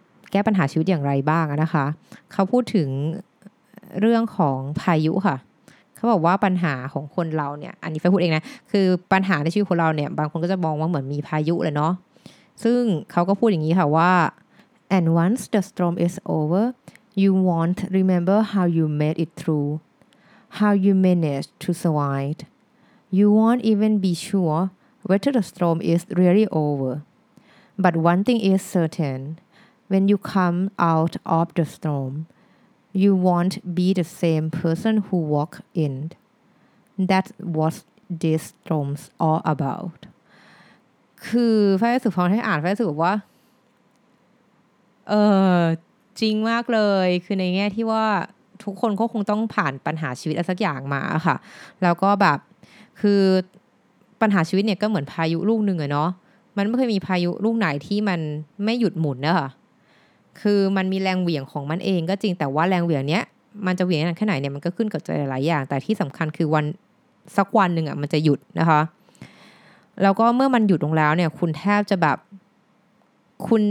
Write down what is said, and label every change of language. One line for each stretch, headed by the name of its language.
Thai: แก้ปัญหาชีวิตอย่างไรบ้างนะคะเขาพูดถึงเรื่องของพายุค่ะเขาบอกว่าปัญหาของคนเราเนี่ยอันนี้ไฟพูดเองนะคือปัญหาในชีวิตคนเราเนี่ยบางคนก็จะมองว่าเหมือนมีพายุเลยเนาะซึ่งเขาก็พูดอย่างนี้ค่ะว่า
English: and once the storm is over you won't remember how you made it through how you managed to survive you won't even be sure whether the storm is really over. But one thing is certain. When you come out of the storm, you won't be the same person who walked in. That's what this storm's all about.
Thai: คือไฟสุขพรให้อ่านไฟสุขว่าจริงมากเลยคือในแง่ที่ว่าทุกคนก็คงต้องผ่านปัญหาชีวิตอะไรสักอย่างมาค่ะแล้วก็แบบคือ ปัญหาชีวิตเนี่ยก็เหมือนพายุลูกหนึ่งอะเนาะมันไม่เคยมีพายุลูกไหนที่มันไม่หยุดหมุนนะคะคือมันมีแรงเหวี่ยงของมันเองก็จริงแต่ว่าแรงเหวี่ยงเนี้ยมันจะเหวี่ยงขนาดไหนเนี่ยมันก็ขึ้นกับหลายอย่างแต่ที่สำคัญคือวันสักวันหนึ่งอะมันจะหยุดนะคะแล้วก็เมื่อมันหยุดลงแล้วเนี่ยคุณแทบจะแบบค